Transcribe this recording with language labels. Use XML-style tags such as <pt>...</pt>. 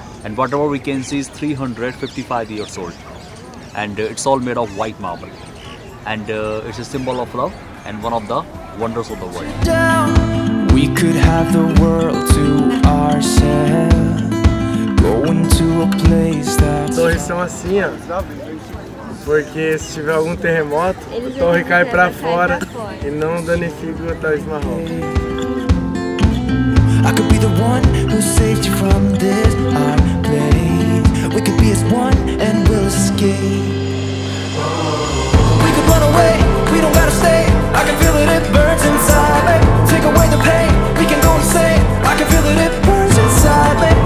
<en>And whatever we can see is 355 years old. And it's all made of white marble. And it's a symbol of love and one of the wonders of the world. Down. We could have the world to ourselves. Going to a place that's...</en> <pt>Torres são assim, ó. Porque se tiver algum terremoto, o torre cai pra fora e não danifica o Taj Mahal.</pt> <en>I could be the one who saved you from this. I'm We could be as one and we'll escape. We could run away, we don't gotta stay. I can feel it, it burns inside me. Take away the pain, we can go insane. I can feel it, it burns inside me.</en>